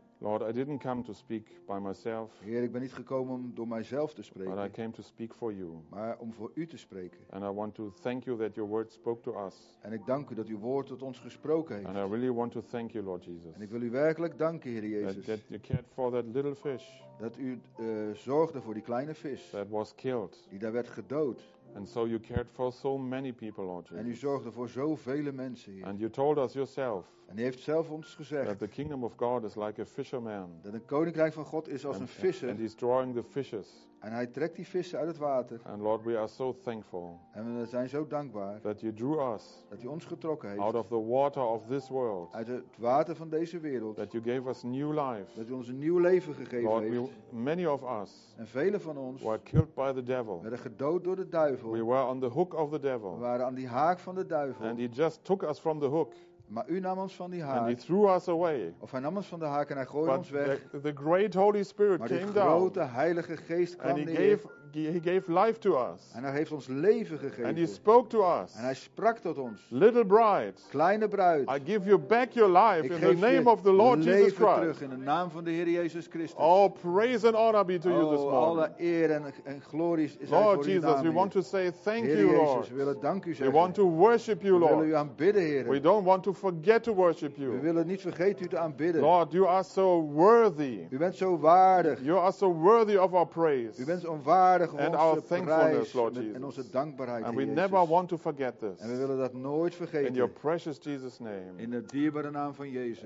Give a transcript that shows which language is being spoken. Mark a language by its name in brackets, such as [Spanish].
[English] Lord, I didn't come to speak by myself. [Dutch] Heer, ik ben niet gekomen om door mijzelf te spreken. [English] But I came to speak for you. [Dutch] Maar om voor u te spreken. [English] And I want to thank you that your word spoke to us. [Dutch] En ik dank u dat uw woord tot ons gesproken heeft. [English] And I really want to thank you, Lord Jesus. [Dutch] En ik wil u werkelijk danken, Heer Jezus. [English] That you cared for that little fish. [Dutch] Dat u zorgde voor die kleine vis. [English] That was killed. [Dutch] Die daar werd gedood. [English] And so you cared for so many people, Lord Jesus. [Dutch] En u zorgde voor zoveel mensen, Heer. [English] And you told us yourself. [Dutch] En u heeft zelf ons gezegd. [English] That the kingdom of God is like a fisherman. [Dutch] Dat het koninkrijk van God is als een visser. [English] And he's drawing the fishes. [Dutch] En hij trekt die vissen uit het water. [English] And Lord, we are so thankful. [Dutch] En we zijn zo dankbaar. [English] That you drew us. [Dutch] Dat u ons getrokken heeft. [English] Out of the water of this world. [Dutch] Uit het water van deze wereld. [English] That you gave us new life. [Dutch] Dat u ons een nieuw leven gegeven [English] Lord, [Dutch] heeft. [English] Many of us. [Dutch] En velen van ons. [English] Were killed by the devil. [Dutch] Werden gedood door de duivel. [English] We were on the hook of the devil. [Dutch] We waren aan die haak van de duivel. [English] And he just took us from the hook. [Dutch] Maar u nam ons van die haak. [English] And he threw us away. [Dutch] Of hij nam ons van de haak en hij gooide [English] But [Dutch] ons weg. [English] The great Holy Spirit [Dutch] maar [English] came down. [Dutch] Maar de grote Heilige Geest kwam [English] and he gave, [Dutch] neer. [English] He gave life to us. [Dutch] En hij heeft ons leven gegeven. [English] And he spoke to us. [Dutch] En hij sprak tot ons. [English] Little bride. [Dutch] Kleine bruid. [English] I give you back your life in the name of the Lord Jesus Christ. [Dutch] Ik geef je leven terug in de naam van de Heer Jezus Christus. [English] Oh, praise and honor be to you this morning. [Dutch] Alle eer en glorie is aan uw naam. [English] Lord Jesus, we want to say thank you, Lord. [Dutch] Heer Jezus, we willen dank u zeggen. [English] We want to worship you, Lord. [Dutch] We willen u aanbidden, Heer. [English] We don't want to forget to worship you. [Dutch] We willen niet vergeten u te aanbidden. [English] Lord, you are so worthy. [Dutch] U bent zo waardig. [English] You are so worthy of our praise. [Dutch] U bent onwaardig van onze [English] our thankfulness, Lord Jesus. [Dutch] En onze dankbaarheid. [English] And [Dutch] Heer [English] we [Dutch] Jezus. [English] Never want to forget this. [Dutch] En we willen dat nooit vergeten. [English] In your precious Jesus name. [Dutch] In de dierbare naam van Jezus.